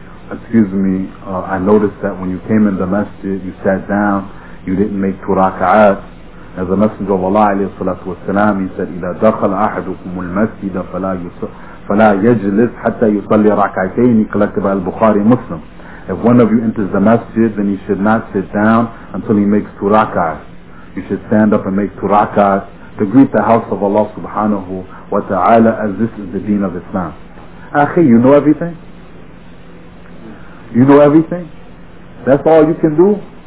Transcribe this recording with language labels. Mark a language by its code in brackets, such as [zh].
[en] I noticed that when you came in the masjid, you sat down, you didn't make two raka'at. As the Messenger of Allah alayhi salatu wasalam, he said, [ar] إِذَا دَخَلَ أَحَدُكُمُ الْمَسْجِدَ فَلَا يَجْلِسْ حَتَّى يُصَلِّ رَكَعَتَيْنِ كَلَكْتَ بَعَى الْبُخَارِ مُسْلِمْ. [en] If one of you enters the masjid, then he should not sit down until he makes two rak'ahs. You should stand up and make two rak'ahs to greet the house of Allah subhanahu wa ta'ala, as this is the deen of Islam. Akhi, you know everything? You know everything? That's all you can do?